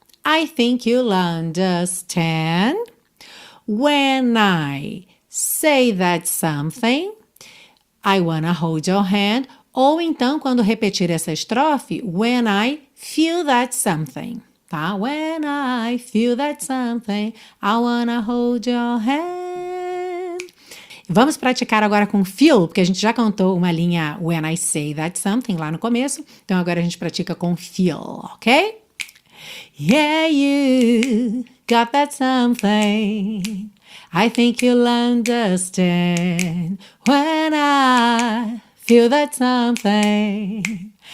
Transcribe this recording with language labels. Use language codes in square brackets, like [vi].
[en] I think you'll understand when I say that something, I wanna hold your hand. [pt] Ou então, quando repetir essa estrofe, [en] when I feel that something, [pt] tá? [en] When I feel that something, I wanna hold your hand. [pt] Vamos praticar agora com feel, porque a gente já cantou uma linha [en] when I say that something [pt] lá no começo. Então, agora a gente pratica com feel, ok? [en] Yeah, you got that something. I think you'll understand when I feel that something.